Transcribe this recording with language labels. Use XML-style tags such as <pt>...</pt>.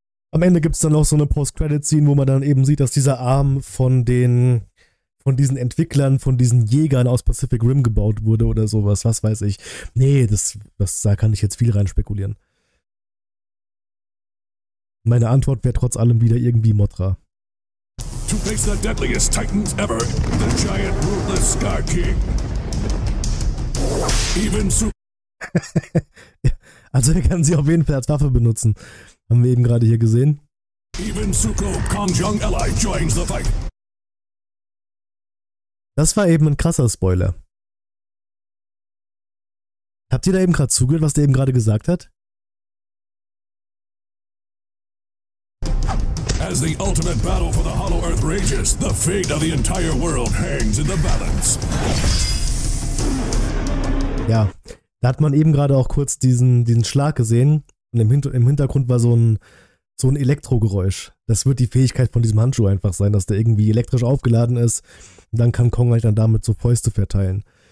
<de>Am Ende gibt es dann noch so eine Post-Credit-Scene, wo man dann eben sieht, dass dieser Arm von diesen Entwicklern, von diesen Jägern aus Pacific Rim gebaut wurde oder sowas, was weiß ich. Nee, da kann ich jetzt viel rein spekulieren. Meine Antwort wäre trotz allem wieder irgendwie Mothra.</de> <en>To face the deadliest titans ever, the giant ruthless Scar King. Even so.</en> <de>Also wir können sie auf jeden Fall als Waffe benutzen. Haben wir eben gerade hier gesehen.</de> <en>Even Zuko, Kong's young ally, joins the fight.</en> <de>Das war eben ein krasser Spoiler. Habt ihr da eben gerade zugehört, was der eben gerade gesagt hat?</de> <en>As the ultimate battle for the Hollow Earth rages, the fate of the entire world hangs in the balance.</en> <de>Ja, da hat man eben gerade auch kurz diesen Schlag gesehen und im Hintergrund war so ein Elektrogeräusch. Das wird die Fähigkeit von diesem Handschuh einfach sein, dass der irgendwie elektrisch aufgeladen ist. Und dann kann Kong halt dann damit so Fäuste verteilen.</de>